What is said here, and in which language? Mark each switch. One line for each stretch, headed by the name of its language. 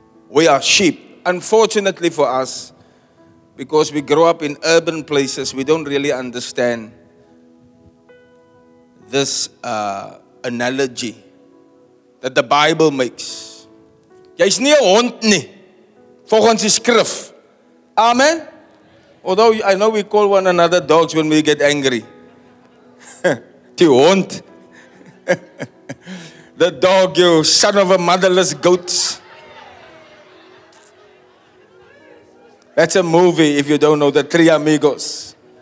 English: We are sheep. Unfortunately for us, because we grow up in urban places, we don't really understand this analogy that the Bible makes.
Afrikaans: Jy's nie 'n hond nie, volgens die skrif.
English: Amen. Although I know we call one another dogs when we get angry.
Afrikaans: Die hond.
English: The dog, you son of a motherless goat. That's a movie if you don't know, The Three Amigos.